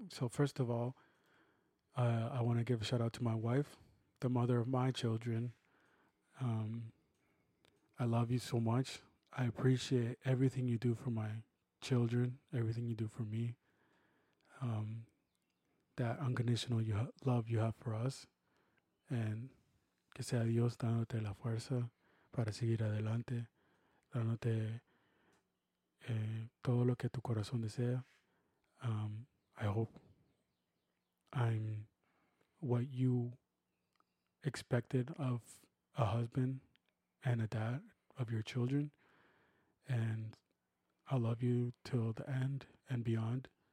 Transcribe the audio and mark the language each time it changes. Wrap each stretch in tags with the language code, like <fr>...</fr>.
<en>So first of all, I want to give a shout out to my wife, the mother of my children. I love you so much. I appreciate everything you do for my children, everything you do for me. That unconditional love you have for us.</en> <es>And que sea Dios dándote la fuerza para seguir adelante, dándote todo lo que tu corazón desea.</es> <en>I hope I'm what you expected of a husband and a dad of your children, and I love you till the end and beyond.</en>